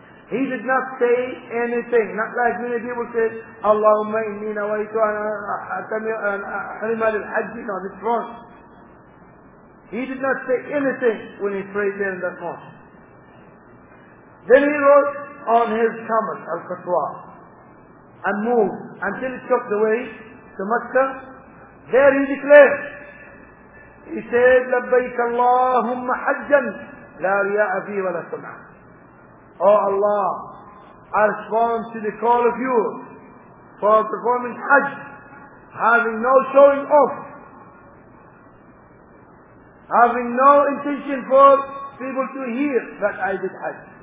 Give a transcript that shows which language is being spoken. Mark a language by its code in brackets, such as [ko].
[en] He did not say anything, not like many people say, [ar] Allahumma inni nawaitu an ahrima lil hajj. [en] No, this wrong. He did not say anything when he prayed there in that mosque. Then he wrote on his camel, al-Qatwa, and moved until he took the way to Mecca. There he declared, he said, [ar] لبيك اللهم حجا لا رياء فيه ولا سمع. [en] Oh Allah, I respond to the call of you for performing Hajj, having no showing off, having no intention for people to hear that I did Hajj.